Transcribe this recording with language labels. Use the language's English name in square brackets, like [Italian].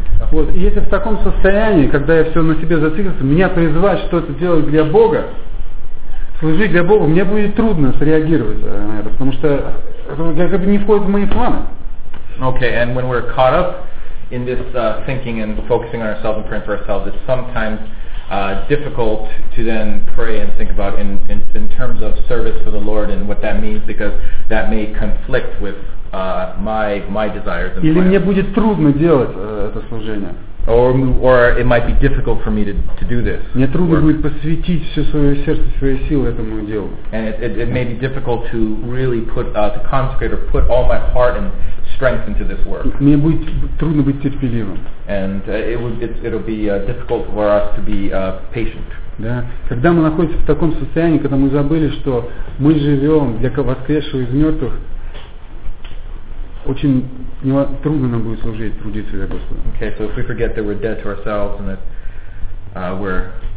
[Russian] Вот, и если в таком состоянии, когда я все на себе зациклился, меня призвать что-то делать для Бога, служить для Бога, мне будет трудно среагировать на это, потому что это как бы не входит в мои планы. [English] Okay, and when we're caught up in this thinking and focusing on ourselves and praying for ourselves, it's sometimes difficult to then pray and think about in terms of service for the Lord and what that means, because that may conflict with my desires. [Russian] Или мне будет трудно делать это служение. [English] Or it might be difficult for me to do this. [Russian] Мне трудно будет посвятить все свое сердце, свои силы этому делу. [English] And it may be difficult to really put to consecrate or put all my heart and strength into this work. [Russian] Мне будет трудно быть терпеливым. [English] And it'll be difficult for us to be patient. [Russian] Да. Когда мы находимся в таком состоянии, когда мы забыли, что мы живем для воскресшего из мертвых. Очень трудно нам будет служить, трудиться для Господа. [English] Okay, so if we forget that we're dead to ourselves and that we're